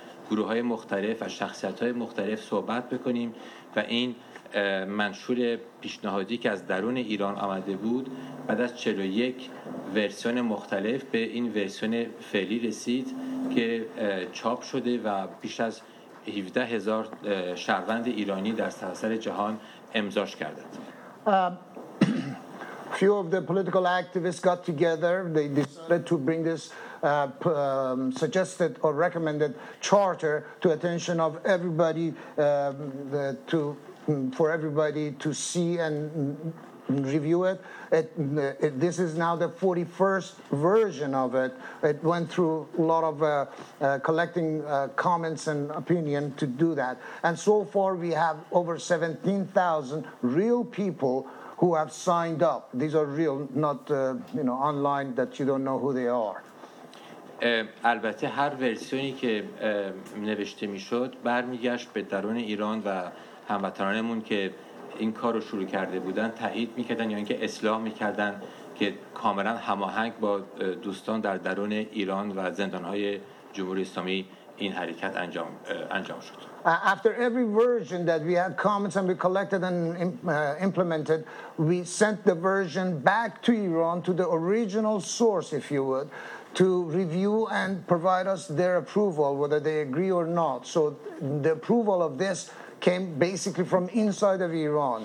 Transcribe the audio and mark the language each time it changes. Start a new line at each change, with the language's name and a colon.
Persian: گروه‌های مختلف و شخصیت‌های مختلف صحبت بکنیم و این منشور پیشنهادی که از درون ایران آمده بود بعد از 41 ورسیون مختلف به این ورسیون فعلی رسید که چاپ شده و بیش از 17,000 شهروند ایرانی در سراسر جهان امضاش کردند.
English: Few of the political activists got together. They decided to bring this suggested or recommended charter to attention of everybody for everybody to see and review it. This is now the 41st version of it. It went through a lot of collecting comments and opinion to do that. And so far we have over 17,000 real people who have signed up. These are real, not online that you don't know who they are.
Persian: البته هر ورسیونی که نوشته میشد برمیگشت به درون ایران و هموطنانمون که این کار رو شروع کرده بودن تایید میکردن یا اینکه اصلاح میکردن که کاملا هماهنگ با دوستان در درون ایران و زندان‌های جمهوری اسلامی این حرکت انجام شد.
English: After every version that we had comments and we collected and implemented, we sent the version back to Iran to the original source, if you would, to review and provide us their approval, whether they agree or not. So the approval of this came basically from inside of Iran.